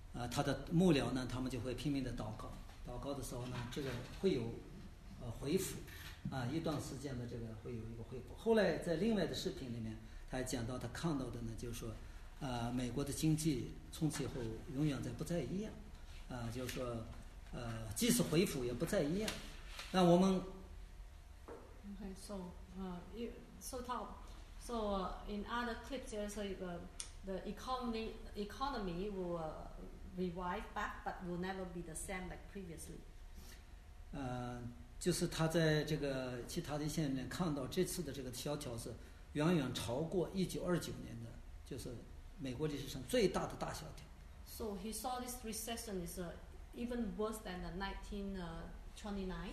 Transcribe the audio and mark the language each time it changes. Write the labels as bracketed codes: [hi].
[zh] 他的幕僚呢，他们就会拼命的祷告，祷告的时候呢，这个会有回复啊，一段时间的这个会有一个回复。后来在另外的视频里面他还讲到，他看到的呢就是说美国的经济从此以后永远在不再一样啊，就是说即使回复也不再一样。那我们 [en] Okay, so, in other clips, there's the economy will revive back, but will never be the same like previously. [zh] 就是他在这个其他的线里面看到这次的这个萧条是远远超过1929年的，就是美国历史上最大的大萧条。 [en] So he saw this recession is even worse than the 1929.